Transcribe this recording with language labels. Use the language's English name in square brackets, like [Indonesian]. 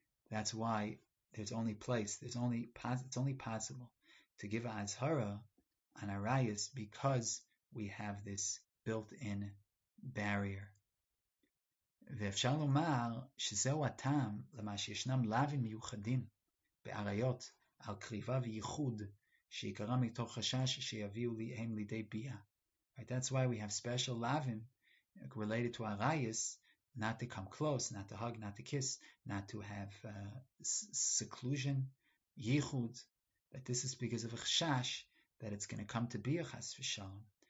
[English] That's why it's only possible to give Azhara on Arayas because we have this built-in barrier. [Hebrew] ואפשר לומר שזהו הטעם למה שישנם לאווים מיוחדים בעריות על קריבה וייחוד שיקרה מתוך חשש שיביאו להם לידי ביה. [English] Right, that's why we have special laווים related to arayas, not to come close, not to hug, not to kiss, not to have seclusion, ייחוד, that this is because of a חשש that it's going to come to ביה חס ושלום.